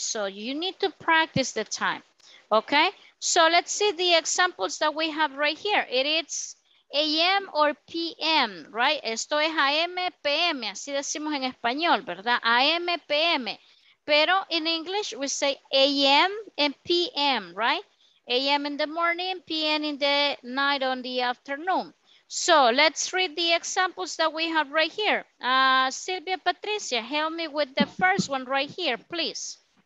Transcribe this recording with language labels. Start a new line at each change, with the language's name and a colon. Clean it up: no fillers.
English: So you need to practice the time, okay? So let's see the examples that we have right here. It is AM or PM, right?
Spanish: Esto es AM, PM, así decimos en español, ¿verdad?
English: AM, PM. Pero in English we say AM and PM, right? AM in the morning, PM in the night or the afternoon. So let's read the examples that we have right here. Silvia Patricia, help me with the first one right here, please.